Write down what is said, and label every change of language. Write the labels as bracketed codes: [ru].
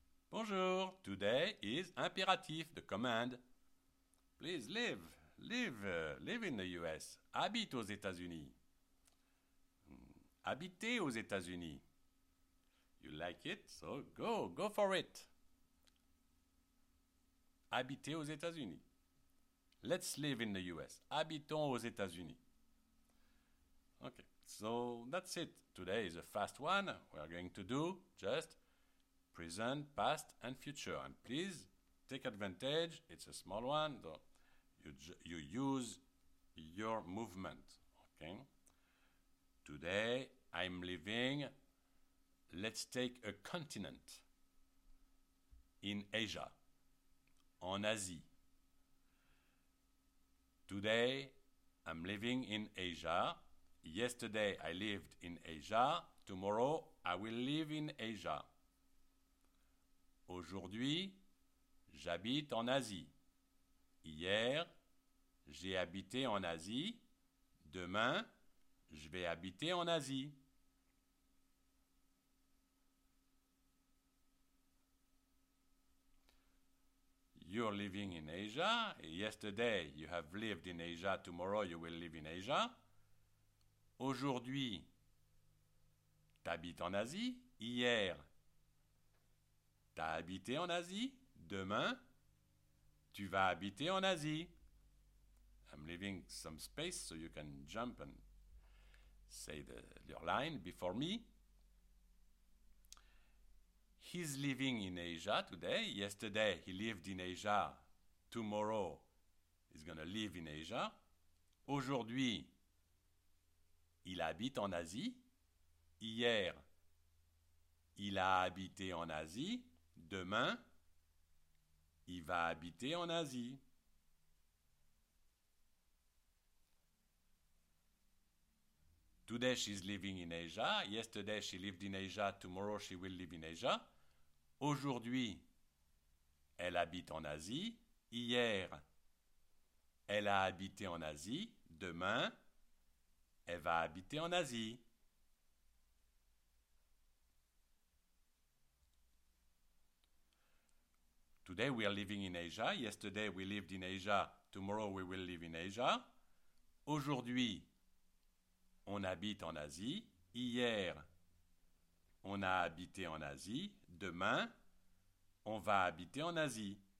[en] Bonjour, today is imperative, the command. Please live in the US, [fr] habite aux États-Unis. Habitez aux États-Unis. [en] You like it, so go for it. [fr] Habitez aux États-Unis. [en] Let's live in the US, [fr] habitons aux États-Unis. [en] Okay, so that's it. Today is a fast one. We are going to do just present, past, and future. And please take advantage. It's a small one, though. You use your movement. Okay. Today I'm living. Let's take a continent. In Asia. [fr] En Asie. [en] Today I'm living in Asia. Yesterday I lived in Asia. Tomorrow I will live in Asia. [fr] Aujourd'hui, j'habite en Asie. Hier, j'ai habité en Asie. Demain, je vais habiter en Asie. [en] You're living in Asia. Yesterday, you have lived in Asia. Tomorrow, you will live in Asia. [fr] Aujourd'hui, t'habites en Asie. Hier, t'as habité en Asie. Demain, tu vas habiter en Asie. [en] I'm leaving some space so you can jump and say your line before me. He's living in Asia today. Yesterday, he lived in Asia. Tomorrow, he's going to live in Asia. [fr] Aujourd'hui, il habite en Asie. Hier, il a habité en Asie. Demain, il va habiter en Asie. [en] Today she's living in Asia. Yesterday she lived in Asia. Tomorrow she will live in Asia. [fr] Aujourd'hui, elle habite en Asie. Hier, elle a habité en Asie. Demain, elle va habiter en Asie. [en] Today we are living in Asia. Yesterday we lived in Asia. Tomorrow we will live in Asia. [fr] Aujourd'hui, on habite en Asie. Hier, on a habité en Asie. Demain, on va habiter en Asie.